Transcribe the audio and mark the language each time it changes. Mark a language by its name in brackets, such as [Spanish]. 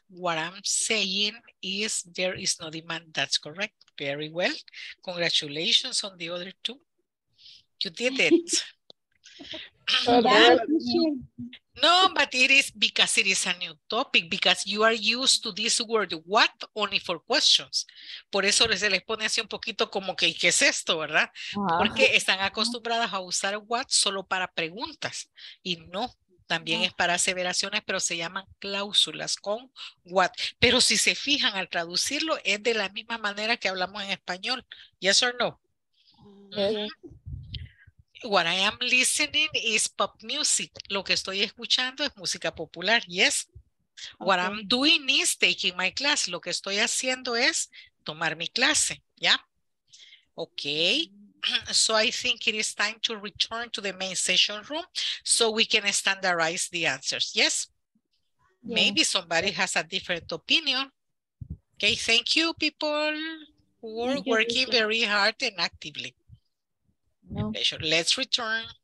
[English] What I'm saying is there is no demand. That's correct. Very well. Congratulations on the other two. You did it. No, but it is because it is a new topic, because you are used to this word, what, only for questions. [Spanish] Por eso se les pone así un poquito como que, ¿qué es esto, verdad? Porque están acostumbradas a usar what solo para preguntas y no. También es para aseveraciones, pero se llaman cláusulas con what. Pero si se fijan al traducirlo, es de la misma manera que hablamos en español. [English] Yes or no? What I am listening is pop music. [Spanish] Lo que estoy escuchando es música popular. [English] Yes. What I'm doing is taking my class. [Spanish] Lo que estoy haciendo es tomar mi clase. ¿Ya? Okay. [English] So I think it is time to return to the main session room so we can standardize the answers. Yes? Maybe somebody has a different opinion. Okay, thank you, people who are working very hard and actively. No. Let's return.